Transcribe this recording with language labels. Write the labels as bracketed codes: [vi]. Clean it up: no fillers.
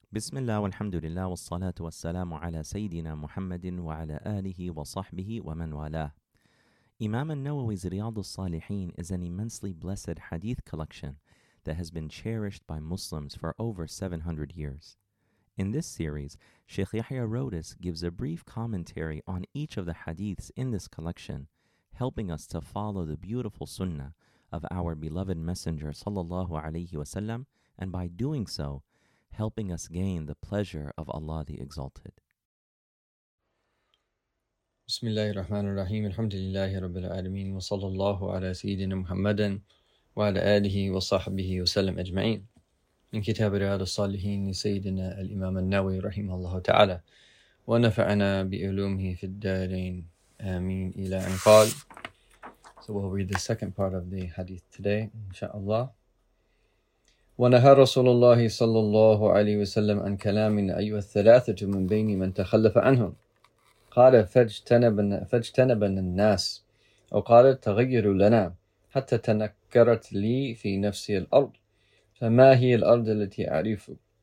[ar] بسم الله والحمد لله والصلاة والسلام على سيدنا محمد وعلى آله وصحبه ومن والاه. [en] Imam An-Nawawi's Riyad al-Salihin is an immensely blessed hadith collection that has been cherished by Muslims for over 700 years. In this series, Sheikh Yahya Rodas gives a brief commentary on each of the hadiths in this collection, helping us to follow the beautiful sunnah of our beloved messenger sallallahu alayhi wa sallam, and by doing so, helping us gain the pleasure of Allah the Exalted. [ar] بسم الله الرحمن الرحيم الحمد لله رب العالمين وصلى الله على سيدنا محمد وعلى آله وصحبه وسلم أجمعين من كتاب رياض الصالحين لسيدنا الإمام النووي رحمه الله تعالى ونفعنا بعلومه في الدارين آمين إلى أن قال. [en] So we'll read the second part of the hadith today, inshallah. [ar] ونهى رسول الله صلى الله عليه وسلم عن كلام أيها الثلاثة من بين من تخلف عنهم قال فاجتنب الناس وقال تغير لنا حتى تنكرت لي في نفسي الأرض فما هي الأرض التي أعرفه